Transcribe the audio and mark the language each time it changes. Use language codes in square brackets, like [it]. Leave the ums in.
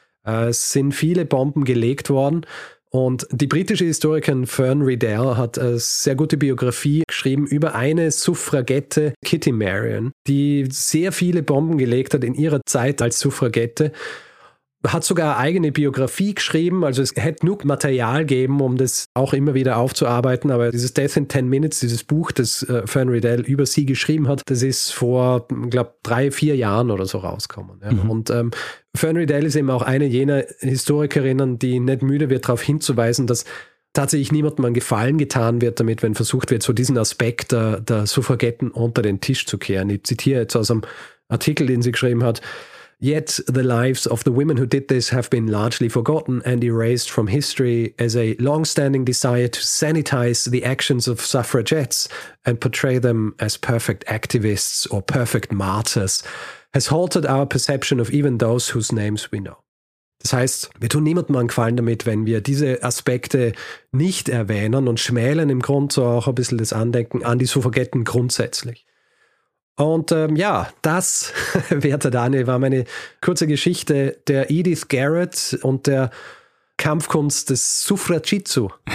[de] Es sind viele Bomben gelegt worden. Und die britische Historikerin Fern Riddell hat eine sehr gute Biografie geschrieben über eine Suffragette, Kitty Marion, die sehr viele Bomben gelegt hat in ihrer Zeit als Suffragette hat sogar eigene Biografie geschrieben, also es hätte genug Material geben, um das auch immer wieder aufzuarbeiten, aber dieses Death in 10 Minutes, dieses Buch, das äh, Fern Riddell über sie geschrieben hat, das ist vor, glaube drei, vier Jahren oder so rausgekommen. Ja. Mhm. Und ähm, Fern Riddell ist eben auch eine jener Historikerinnen, die nicht müde wird, darauf hinzuweisen, dass tatsächlich niemandem einen Gefallen getan wird damit, wenn versucht wird, so diesen Aspekt der, der Suffragetten unter den Tisch zu kehren. Ich zitiere jetzt aus einem Artikel, den sie geschrieben hat, [en] Yet the lives of the women who did this have been largely forgotten and erased from history as a long standing desire to sanitize the actions of suffragettes and portray them as perfect activists or perfect martyrs has halted our perception of even those whose names we know. [de] Das heißt, wir tun niemandem einen Gefallen damit, wenn wir diese Aspekte nicht erwähnen und schmälern im Grunde so auch ein bisschen das Andenken an die Suffragetten grundsätzlich. Und ähm, ja, das, werter Daniel, war meine kurze Geschichte der Edith Garrett und der Kampfkunst des Suffragitsu.